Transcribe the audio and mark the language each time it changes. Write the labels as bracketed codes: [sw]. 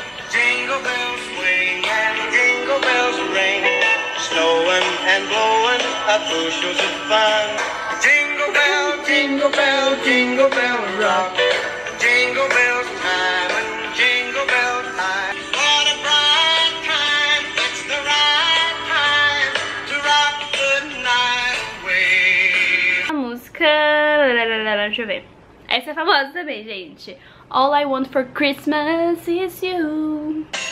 [en] Jingle bells swing and jingle bells ring, snowing and blowing up bushels of fun. Jingle bell, jingle bell, jingle bell rock. Jingle bells time and jingle bells time. What a bright time, it's the right time to rock the night away. [pt] A música, deixa eu ver. Essa é famosa também, gente. [en] All I Want for Christmas is You.